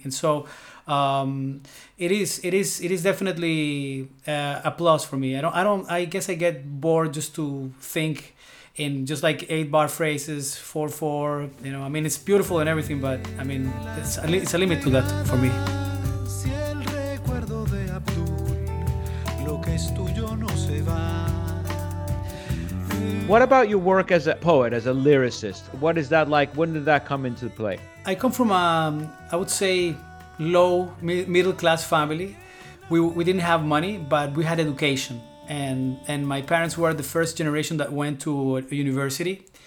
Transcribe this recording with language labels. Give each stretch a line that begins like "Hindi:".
English: And so it is definitely a plus for me. I guess I get bored just to think in just like 8 bar phrases, 4/4, you know. I mean, it's beautiful and everything, but I mean, it's a limit to that for me.
Spanish: Si el recuerdo de Abdul, lo que es tuyo no se va.
English: What about your work as a poet, as a lyricist? What is that like? When did that come into play? I come from a, I would say, low, middle-class family. We didn't have money, but we had education. And my parents were the first generation that went to a university.